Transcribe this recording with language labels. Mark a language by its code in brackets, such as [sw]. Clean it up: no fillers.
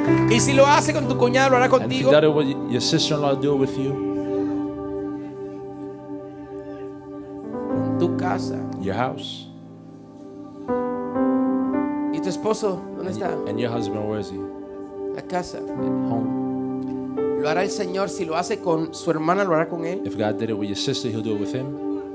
[es] Y si lo hace con tu cuñada, lo hará contigo. [en] And if you do it, your sister-in-law do it with you. [es] En tu casa. [en] Your house. [es] ¿Y tu esposo dónde está? [en] And your husband, where is he? [es] La casa. [en] At home. [es] Lo hará el Señor si lo hace con su hermana, lo hará con él. [en] If God did it with your sister, he'll do it with him.